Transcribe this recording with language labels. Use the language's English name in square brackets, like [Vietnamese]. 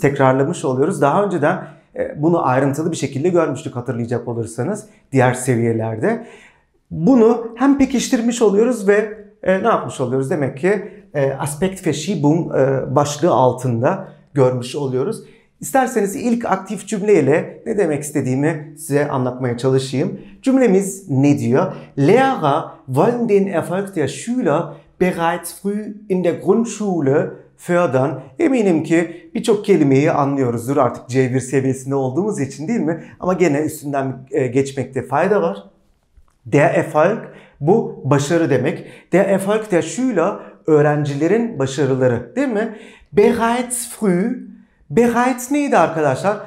[Turkish] Tekrarlamış oluyoruz. Daha önceden bunu ayrıntılı bir şekilde görmüştük hatırlayacak olursanız diğer seviyelerde. Bunu hem pekiştirmiş oluyoruz ve ne yapmış oluyoruz? Demek ki Aspektverschiebung başlığı altında görmüş oluyoruz. İsterseniz ilk aktif cümleyle ne demek istediğimi size anlatmaya çalışayım. Cümlemiz ne diyor? [German] Lehrer wollen den Erfolg der Schüler bereits früh in der Grundschule fördern. [Turkish] Eminim ki birçok kelimeyi anlıyoruzdur artık C1 seviyesinde olduğumuz için, değil mi? Ama gene üstünden geçmekte fayda var. Der Erfolg, bu başarı demek. [German] Der Erfolg der Schüler, [Turkish] öğrencilerin başarıları, değil mi? Bereits früh. Bereits neydi arkadaşlar?